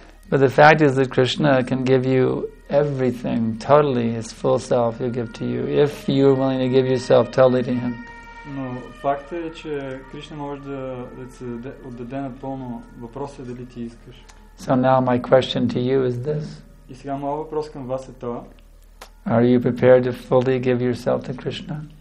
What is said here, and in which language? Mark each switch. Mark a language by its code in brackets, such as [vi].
[en] But the fact is that Krishna can give you everything, totally, his full self he'll give to you, if you are willing to give yourself totally to him. [bg] Но факт е, че Кришна може да се отдаде напълно. Въпросът е дали ти искаш. [en] So now my question to you is this. [bg] И сега моят въпрос към вас е това. [en] Are you prepared to fully give yourself to Krishna?